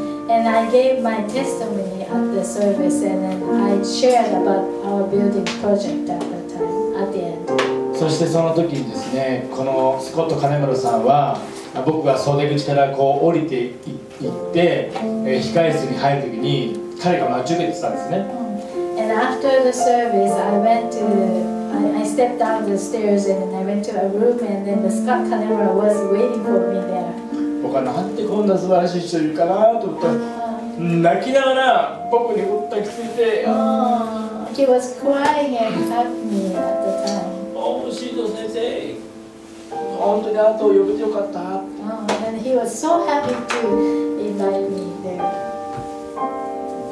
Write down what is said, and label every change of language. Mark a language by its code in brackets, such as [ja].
[en] And I gave my testimony at the service, and then I shared about our building project at the time, at the end. [ja] そしてその時にですね、このスコット金丸さんは僕が袖口からこう降りて行って、控え室に入るときに彼が待ち受けてたんですね。 [en] And after the service, I stepped down the stairs and then I went to a room and then the Scott Canemura was waiting for me there. [ja] 僕はなんてこんな素晴らしい人いるかなと思った。泣きながら僕に抱きついて。 [en] He was crying and hugged me at the time. Oh, Shido 先生。 [ja] 本当にあなたを呼べてよかった。 [en] And he was so happy to invite me there.